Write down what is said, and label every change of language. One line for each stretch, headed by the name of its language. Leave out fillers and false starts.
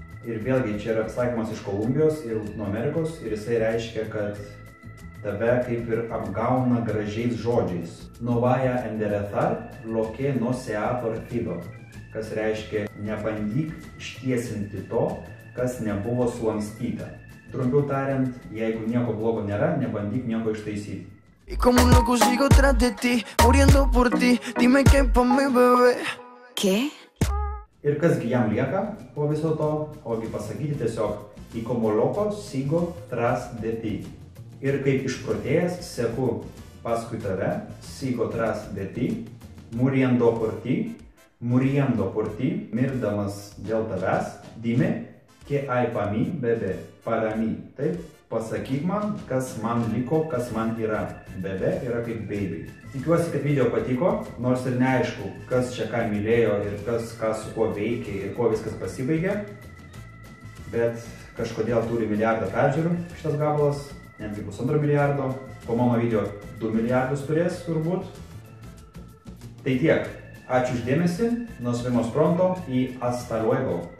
Lithuanian: Ir vėlgi, čia yra apsakymas iš Kolumbijos ir Lutino Amerikos, ir jisai reiškia, kad tave kaip ir apgauna gražiais žodžiais.
Spanish: No vaya enderezar lo que no se ha torcido,
Lithuanian: kas reiškia nebandyk ištiesinti to, kas nebuvo sulankstyta. Trumpiau tariant, jeigu nieko blogo nėra, nebandyk nieko ištaisyti.
Spanish: Y como un loco sigo tras de ti, muriendo por ti, dime que pa' mi bebé. ¿Qué?
Lithuanian: Ir kasgi jam lieka po viso to, ogi pasakyti tiesiog,
Spanish: y como loco sigo tras de ti.
Lithuanian: Ir kaip išprotėjęs seku paskui tave,
Spanish: sigo tras de ti, muriendo por ti, muriendo por ti,
Lithuanian: mirdamas dėl tavęs,
Spanish: dime que hay pa' mi bebé, para mi,
Lithuanian: taip? Pasakyk man, kas man liko, kas man yra. Bebe yra kaip baby. Tikiuosi, kad video patiko, nors ir neaišku, kas čia ką mylėjo ir kas ką su kuo veikė ir kuo viskas pasibaigė. Bet kažkodėl turi milijardą peržiūrų šitas gabalas, netgi bus 2 milijardo. Po mano video 2 milijardus turės turbūt. Tai tiek. Ačiū uždėmesi.
Spanish: Nos vemos pronto y hasta luego.